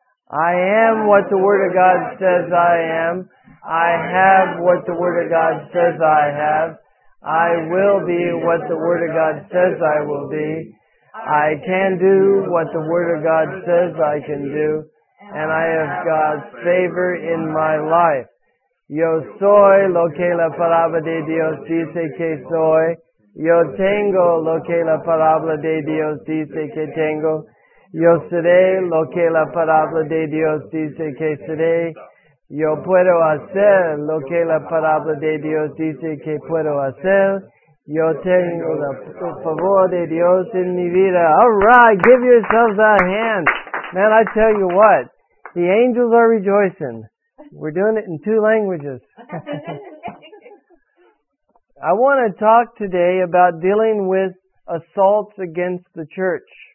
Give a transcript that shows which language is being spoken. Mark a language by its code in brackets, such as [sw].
[en] I am what the Word of God says I am. I have what the Word of God says I have. I will be what the Word of God says I will be. I can do what the Word of God says I can do. And I have God's favor in my life. [es] Yo soy lo que la palabra de Dios dice que soy. Yo tengo lo que la palabra de Dios dice que tengo. Yo seré lo que la palabra de Dios dice que seré. Yo puedo hacer lo que la palabra de Dios dice que puedo hacer. Yo tengo el favor de Dios en mi vida. [en] All right, give yourselves a hand. Man, I tell you what, the angels are rejoicing. We're doing it in two languages. I want to talk today about dealing with assaults against the church.